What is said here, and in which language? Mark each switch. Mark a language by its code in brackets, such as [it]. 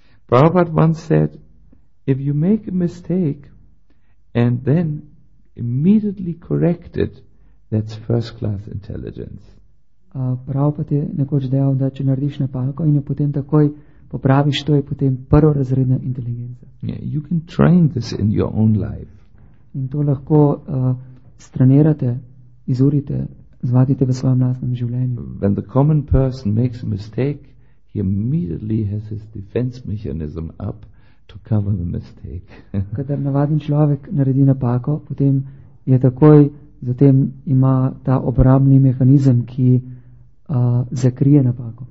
[en] Prabhupada once said, if you make a mistake and then immediately correct it, that's first class intelligence. [sl] Prabhupada je nekoč dejal, da če narediš napako in jo potem takoj popraviš, to je potem prvorazredna inteligenca. [en] Yeah, you can train this in your own life. [sl] In to lahko trenirate, izurite, zvadite v svojem lastnem življenju. [en] When the common person makes a mistake, he immediately has his defense mechanism up to cover the mistake. [sl] Kadar navaden človek naredi napako, potem je takoj, zatem ima ta obrambni mehanizem, ki zakrije napako.